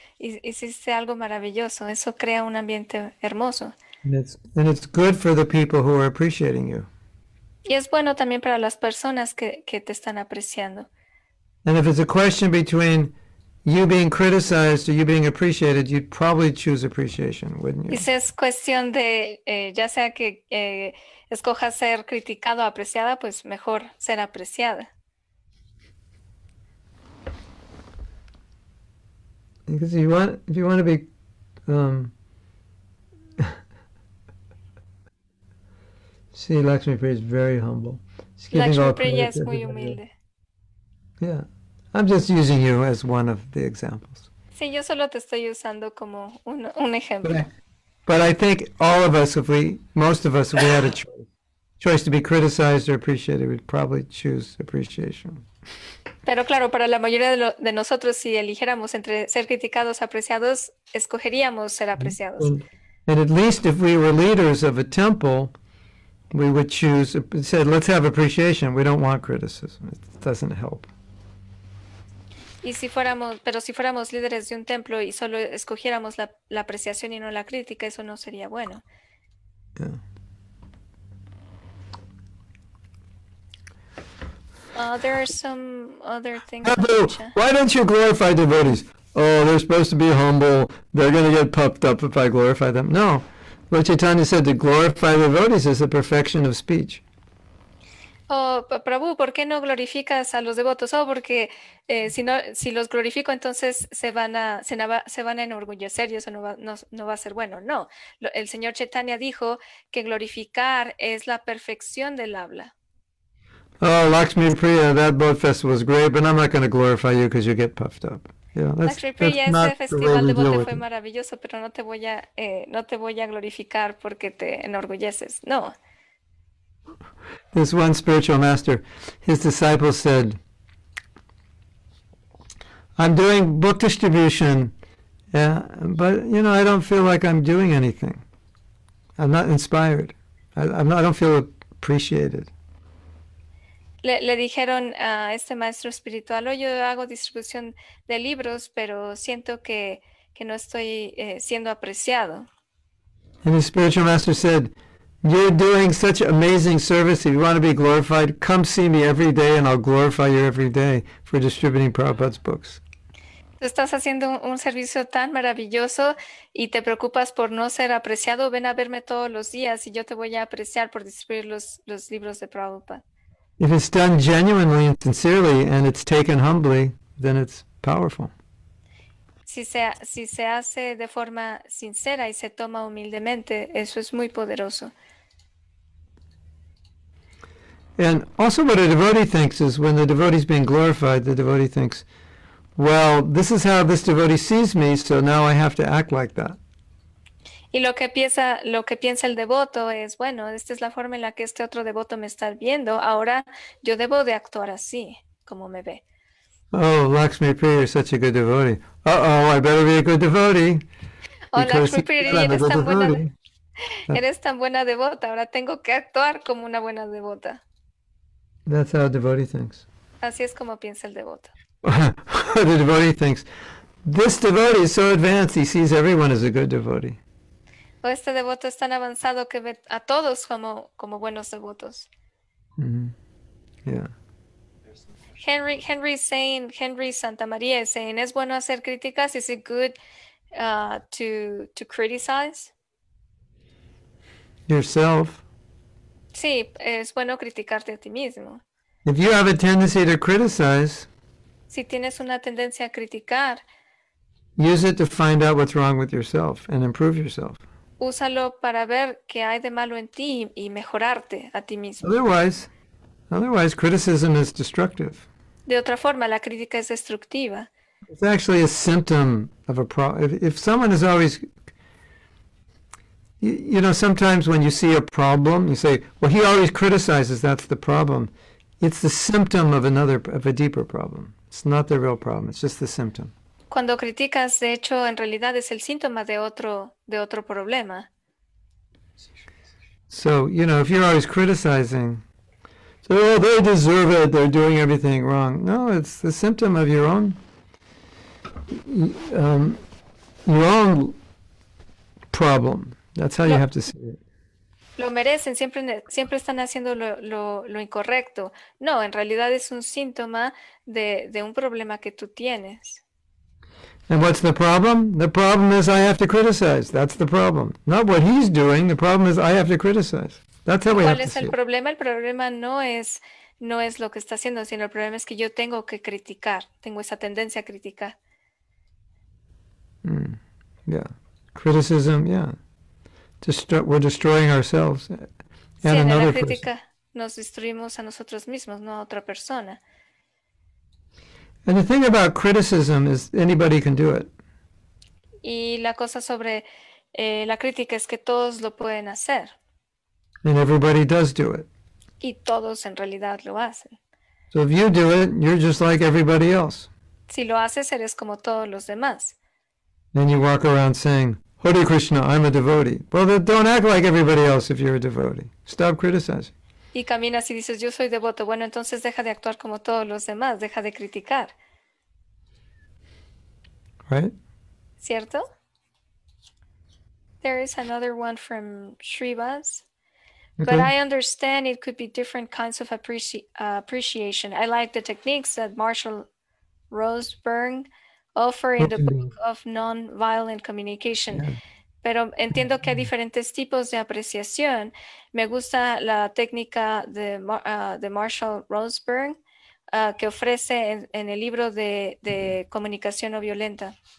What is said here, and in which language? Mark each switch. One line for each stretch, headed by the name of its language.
Spanish: Hiciste algo maravilloso. Eso crea un ambiente hermoso.
English: And it's good for the people who are appreciating you.
Spanish: Y es bueno también para las personas que te están apreciando.
English: And if it's a question between you being criticized or you being appreciated, you'd probably choose appreciation, wouldn't
Spanish: Y
English: you?
Spanish: si es cuestión de, ya sea que escoja ser criticada o apreciada, pues mejor ser apreciada.
English: Because if you want to be See, Lakshmi Priya is very humble. She's giving all
Spanish: Lakshmi Priya
English: credit to
Spanish: es muy
English: everybody else.
Spanish: humilde.
English: Yeah. I'm just using you as one of the examples.
Spanish: Sí, yo solo te estoy usando como un
English: But
Spanish: ejemplo.
English: But I think all of us, if we, most of us, if we had a choice to be criticized or appreciated, we'd probably choose appreciation.
Spanish: Pero claro, para la mayoría de, de nosotros, si eligiéramos entre ser criticados o apreciados, escogeríamos ser apreciados.
English: And at least if we were leaders of a temple, we would choose, said, let's have appreciation. We don't want criticism. It doesn't help.
Spanish: Y si fuéramos, pero si fuéramos líderes de un templo y solo escogiéramos la, la apreciación y no la crítica, eso no sería bueno.
English: Yeah. There are some other things. Abu, why don't you glorify devotees? Oh, they're supposed to be humble. They're going to get puffed up if I glorify them. No. Lord Chaitanya said to glorify devotees is the perfection of speech.
Spanish: Oh, Prabhu, ¿por qué no glorificas a los devotos? Oh, porque si no, si los glorifico, entonces se van a enorgullecer y eso no va a ser bueno. No, el señor Chaitanya dijo que glorificar es la perfección del habla.
English: Oh, Lakshmi Priya, that boat festival was great, but I'm not going to glorify you because you get puffed up. Yeah,
Spanish: Lakshmi Priya, ese festival de bote fue maravilloso, pero no te voy a glorificar porque te enorgulleces.
English: No. This one spiritual master, his disciples said, I'm doing book distribution, yeah, but you know, I don't feel like I'm doing anything. I'm not inspired. I don't feel appreciated.
Spanish: Le dijeron a este maestro espiritual, oye, yo hago distribución de libros, pero siento que no estoy siendo apreciado.
English: And the spiritual master said, you're doing such amazing service. If you want to be glorified, come see me every day and I'll glorify you every day for distributing Prabhupada's books.
Spanish: Tú estás haciendo un servicio tan maravilloso y te preocupas por no ser apreciado, ven a verme todos los días y yo te voy a apreciar por distribuir los libros de Prabhupada.
English: If it's done genuinely and sincerely and it's taken humbly, then it's powerful.
Spanish: Si se hace de forma sincera y se toma humildemente, eso es muy poderoso.
English: And also what a devotee thinks is when the devotee is being glorified, the devotee thinks, well, this is how this devotee sees me, so now I have to act like that.
Spanish: Y lo que piensa el devoto es, bueno, esta es la forma en la que este otro devoto me está viendo. Ahora yo debo de actuar así, como me ve.
English: Oh, Lakshmi Priya, you're such a good devotee. Uh-oh, I better be a good devotee.
Spanish: Oh, Lakshmi Priya, eres tan buena devota. Ahora tengo que actuar como una buena devota.
English: That's how a devotee thinks.
Spanish: Así es como piensa el devoto.
English: The devotee thinks, this devotee is so advanced, he sees everyone as a good devotee.
Spanish: O este devoto es tan avanzado que ve a todos como buenos devotos.
English: Mm-hmm. Yeah. Henry Santa María is saying,
Spanish: ¿es bueno hacer críticas?
English: Is it good to criticize? Yourself.
Spanish: Sí, es bueno criticarte a ti mismo.
English: If you have a tendency to criticize,
Spanish: si tienes una tendencia a criticar,
English: use it to find out what's wrong with yourself and improve yourself.
Spanish: Úsalo para ver qué hay de malo en ti y mejorarte a ti mismo.
English: Otherwise, criticism is destructive.
Spanish: De otra forma, la crítica es destructiva.
English: It's actually a symptom of a problem. If someone is always, you know, sometimes when you see a problem, you say, well, he always criticizes, that's the problem. It's the symptom of a deeper problem. It's not the real problem, it's just the symptom.
Spanish: Cuando criticas, de hecho, en realidad es el síntoma de otro problema.
English: So, you know, if you're always criticizing, so, oh, they deserve it, they're doing everything wrong. No, it's the symptom of your own problem. That's how you have to see it.
Spanish: Lo merecen, siempre están haciendo lo incorrecto. No, en realidad es un síntoma de un problema que tú tienes.
English: And what's the problem? The problem is I have to criticize. That's the problem. Not what he's doing. The problem is I have to criticize. That's how we have to see it.
Spanish: ¿Cuál es el problema? El problema no es lo que está haciendo, sino el problema es que yo tengo que criticar. Tengo esa tendencia a criticar.
English: Yeah. Criticism, yeah. We're destroying ourselves. And
Spanish: sí, en
English: another
Spanish: la crítica
English: person.
Spanish: Nos destruimos a nosotros mismos, no a otra persona.
English: And the thing about criticism is anybody can do it.
Spanish: Y la cosa sobre La crítica es que todos lo pueden hacer.
English: And everybody does do it.
Spanish: Y todos en realidad lo hacen.
English: So if you do it, you're just like everybody else.
Spanish: Si lo haces, eres como todos los demás.
English: Then you walk around saying, Hare Krishna, I'm a devotee. Well, then don't act like everybody else if you're a devotee. Stop criticizing.
Spanish: Y caminas y dices, yo soy devoto. Bueno, entonces deja de actuar como todos los demás. Deja de criticar.
English: Right?
Spanish: ¿Cierto?
English: There is another one from Shrivas. But okay. I understand it could be different kinds of appreciation. I like the techniques that Marshall Rosenberg offer in the book of non-violent communication. Yeah.
Spanish: Pero entiendo que hay diferentes tipos de apreciación. Me gusta la técnica de Marshall Rosenberg que ofrece en el libro de comunicación no violenta.